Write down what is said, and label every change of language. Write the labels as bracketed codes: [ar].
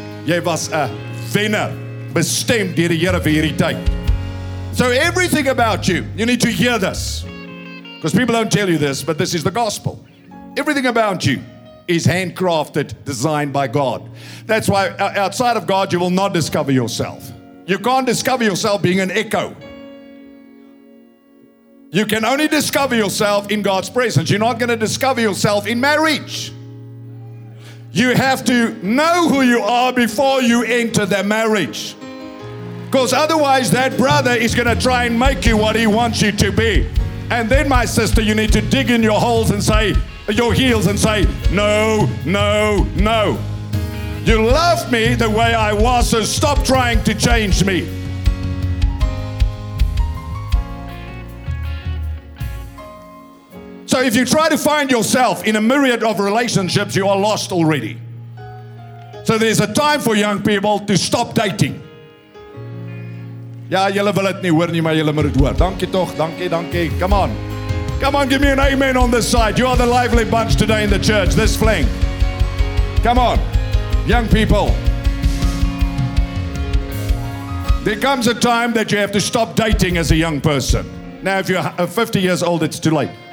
[af] Jy was 'n wenner, bestem deur die Here vir hierdie tyd. [en] So everything about you, you need to hear this. Because people don't tell you this, but this is the gospel. Everything about you is handcrafted, designed by God. That's why outside of God, you will not discover yourself. You can't discover yourself being an echo. You can only discover yourself in God's presence. You're not going to discover yourself in marriage. You have to know who you are before you enter that marriage. Because otherwise that brother is going to try and make you what he wants you to be. And then, my sister, you need to dig in your holes and say, your heels and say, no, no, no. You love me the way I was, so stop trying to change me. So if you try to find yourself in a myriad of relationships, you are lost already. So there's a time for young people to stop dating. [af] Ja, julle wil dit nie hoor nie, maar julle moet dit hoor. Dankie tog, dankie, dankie. [en] Come on. Come on, give me an amen on this side. You are the lively bunch today in the church, this flank. Come on, young people. There comes a time that you have to stop dating as a young person. Now, if you're 50 years old, it's too late.